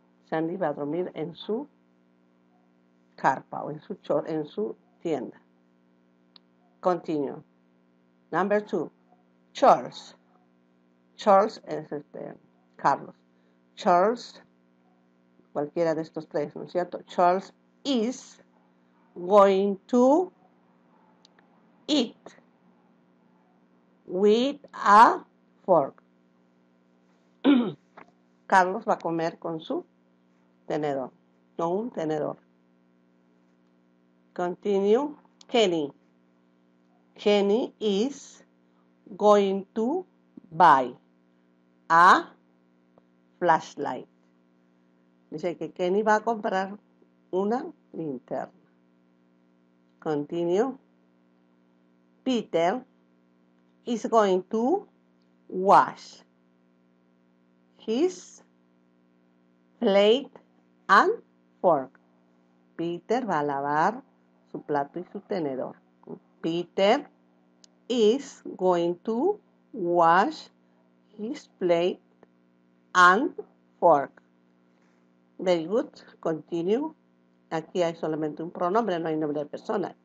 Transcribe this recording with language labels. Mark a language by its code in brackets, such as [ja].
[es] Sandy va a dormir en su carpa o en su tienda. Continúo. [en] Number two. Charles. [es] Charles es Carlos. Charles, cualquiera de estos tres, ¿no es cierto? [en] Charles is going to eat with a fork. [es] Carlos va a comer con su tenedor, no un tenedor. [en] Continue. [es] Kenny. [en] Kenny is going to buy a flashlight. [es] Dice que Kenny va a comprar una linterna. [en] Continue. Peter is going to wash his plate and fork. [es] Peter va a lavar su plato y su tenedor. [en] Peter is going to wash his plate and fork. Very good. Continue. [es] Aquí hay solamente un pronombre, no hay nombre de persona.